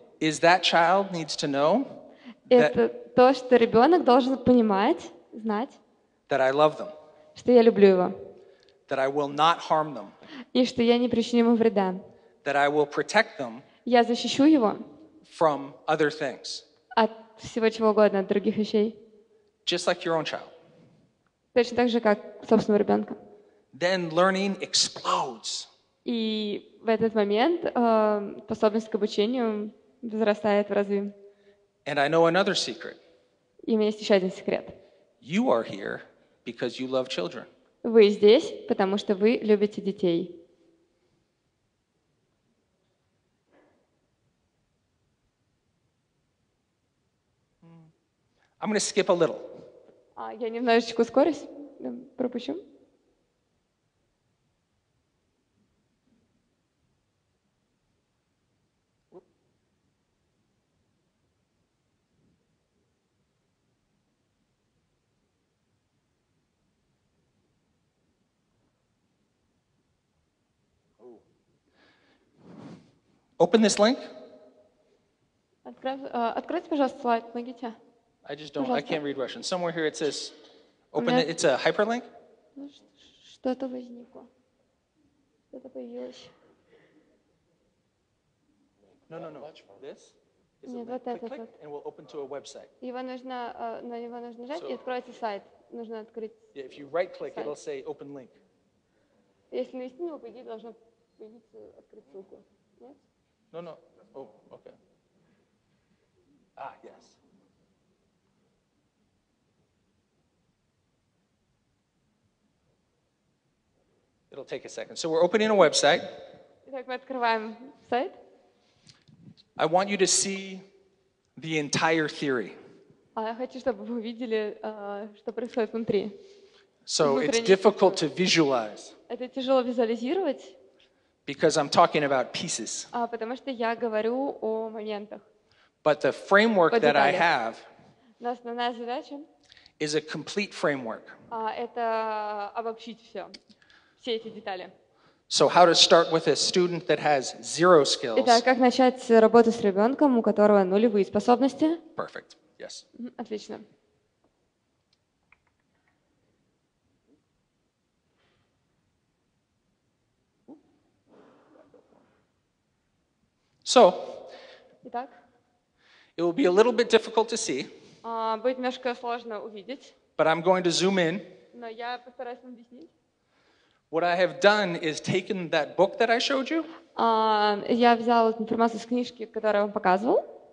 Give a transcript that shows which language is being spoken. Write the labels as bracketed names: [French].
[English] is that child needs to know that [Russian] это то, что ребенок должен понимать, знать [English] that I love them, [Russian] что я люблю его, [English] that I will not harm them, [Russian] и что я не причиню ему вреда, [English] that I will protect them, [Russian] я защищу его [English] from other things, [Russian] от всего чего угодно, от других вещей, [English] just like your own child. [Russian] Точно так же, как собственного ребенка. [English] Then learning explodes. [Russian] И в этот момент способность к обучению возрастает в разы. [English] And I know another secret. [Russian] И у меня есть еще один секрет. [English] You are here because you love children. [Russian] Вы здесь, потому что вы любите детей. [English] I'm going to skip a little. [Russian] Я немножечко ускорюсь. Пропущу. [English] Open this link. [Russian] Откройте, пожалуйста, слайд. Помогите. [English] I just don't. [Russian] Пожалуйста. [English] I can't read Russian. Somewhere here it says. Open it. It's a hyperlink. [Russian] Что-то возникло. Что-то появилось. [English] No. This is [Russian] нет, вот [English] click, click, and we'll open to a website. [Russian] Его нужно, на него нужно нажать, so, и откроется сайт. Нужно открыть. [English] Yeah, if you right click, [Russian] сайт. [English] It'll say open link. [Russian] Если навести на него, по идее, должно появиться открыть ссылку. Нет? [English] No. Oh, okay. Yes. It'll take a second. So we're opening a website. [Russian] Итак, мы открываем сайт. [English] I want you to see the entire theory. [Russian] Я хочу, чтобы вы увидели, что происходит внутри. [English] So it's difficult to visualize. [Russian] Это тяжело визуализировать. [English] Because I'm talking about pieces. [Russian] Потому что я говорю о моментах. [English] But the framework that I have. [Russian] Но основная задача. [English] Is a complete framework. [Russian] Это обобщить все. Все эти детали. [English] So how to start with a student that has zero skills? [Russian] Итак, как начать работу с ребенком, у которого нулевые способности? [English] Perfect. Yes. [Russian] Отлично. [English] So. [Russian] Итак. [English] It will be a little bit difficult to see. [Russian] Будет немножко сложно увидеть. [English] But I'm going to zoom in. [Russian] Но я постараюсь объяснить. [English] What I have done is taken that book that I showed you. [Russian] Я взял информацию с книжки, которую я вам показывал.